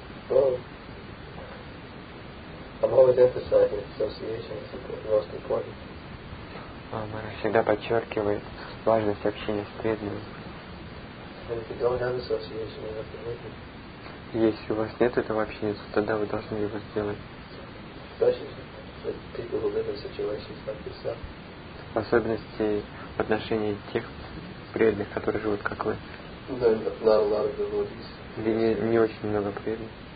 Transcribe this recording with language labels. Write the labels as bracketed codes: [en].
[en] Well, I'm always emphasizing association is the most important. [ru] Мара всегда подчеркивает важность общения с преданными. [en] And if you don't have association, you have to make it. [ru] Если у вас нет этого общения, то тогда вы должны его сделать. [en] Especially with people who live in situations like yourself. [ru] В особенности в отношении тех преданных, которые живут как вы. Где не очень много преданных.